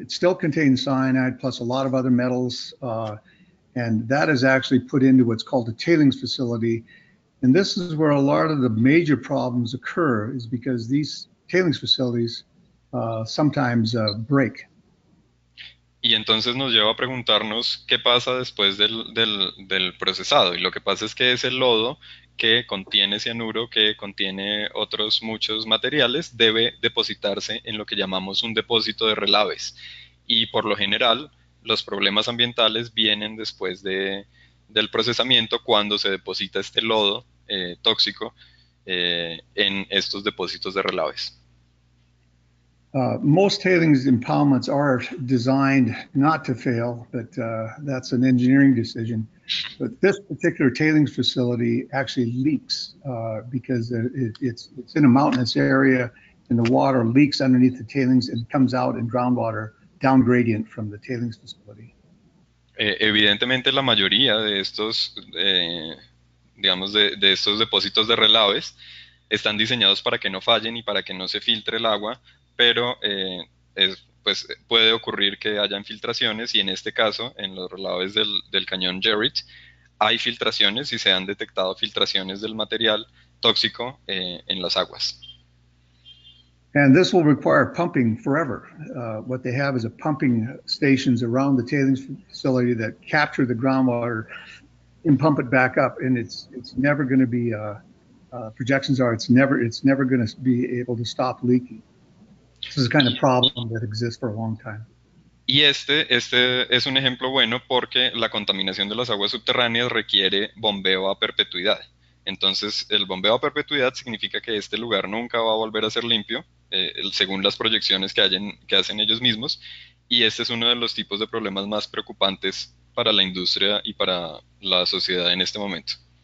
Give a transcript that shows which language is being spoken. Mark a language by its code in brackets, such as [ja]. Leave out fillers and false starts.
[en] It still contains cyanide plus a lot of other metals, and that is actually put into what's called a tailings facility. And this is where a lot of the major problems occur, is because these tailings facilities sometimes break. [es] Y entonces nos lleva a preguntarnos qué pasa después del procesado. Y lo que pasa es que ese lodo que contiene cianuro, que contiene otros muchos materiales, debe depositarse en lo que llamamos un depósito de relaves. Y por lo general, los problemas ambientales vienen después del procesamiento cuando se deposita este lodo tóxico en estos depósitos de relaves. [en] Most tailings impoundments are designed not to fail, but that's an engineering decision. But this particular tailings facility actually leaks because it's in a mountainous area, and the water leaks underneath the tailings and comes out in groundwater downgradient from the tailings facility. [es] Evidentemente, la mayoría de estos, digamos, de estos depósitos de relaves están diseñados para que no fallen y para que no se filtre el agua, pero pues puede ocurrir que haya infiltraciones y en este caso, en los relaves del cañón Jerritt, hay filtraciones y se han detectado filtraciones del material tóxico en las aguas. [en] And this will require pumping forever. What they have is a pumping stations around the tailings facility that capture the groundwater and pump it back up. And it's never going to be, projections are it's never going to be able to stop leaking. This is the kind of problem that exists for a long time. [es] Y este es un ejemplo bueno porque la contaminación de las aguas subterráneas requiere bombeo a perpetuidad. Entonces, el bombeo a perpetuidad significa que este lugar nunca va a volver a ser limpio, según las proyecciones que hacen ellos mismos, y este es uno de los tipos de problemas más preocupantes para la industria y para la sociedad en este momento.